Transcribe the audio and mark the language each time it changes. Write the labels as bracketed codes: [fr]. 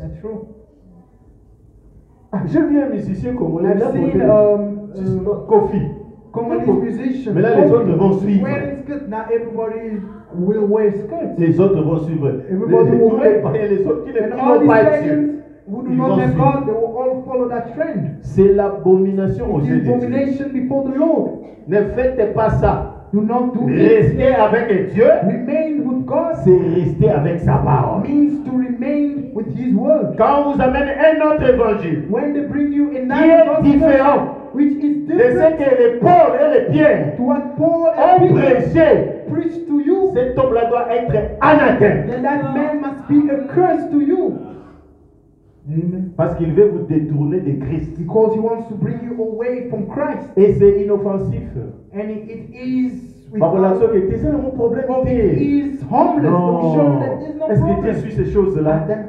[en] That's true. [fr] Ah, j'ai vu un musicien congolais. [en] I've seen Kofi. Congolese musician. [fr] Mais là, les hommes devront suivre. [en] Wearing skirts. Now, everybody. Will wear skirts. [fr] Les autres vont suivre. [en] Everybody [fr] les, [en] will wear. [fr] Les païens, les autres qui ne vont pas être sûrs. [en] Who do not have God, they will all follow that trend. [fr] C'est l'abomination aux yeux de Dieu. [en] It's abomination before the Lord. [fr] Ne faites pas ça. [en] Do not do it. [fr] Rester avec Dieu. [en] Remain with God. [fr] C'est rester avec sa parole. [en] Means to remain with His word. [fr] Quand vous amène un autre évangile. [en] When they bring you another gospel. [fr] Qui est différent. [en] Which is different. [fr] De ce que les Paul et les Pierre. [en] To what Paul and Peter. [fr] Ont prêché. [en] Preach to you. [fr] Cet homme-là doit être anathème. [en] That man must be a curse to you. [fr] Amen. Parce qu'il veut vous détourner de Christ. [en] Because he wants to bring you away from Christ. [fr] Et c'est inoffensif. [en] And it is. [fr] Par relation que tu sais le mon problème. [en] He is homeless. [fr] Non. [en] No. [fr] Est-ce que tu suis ces choses-là?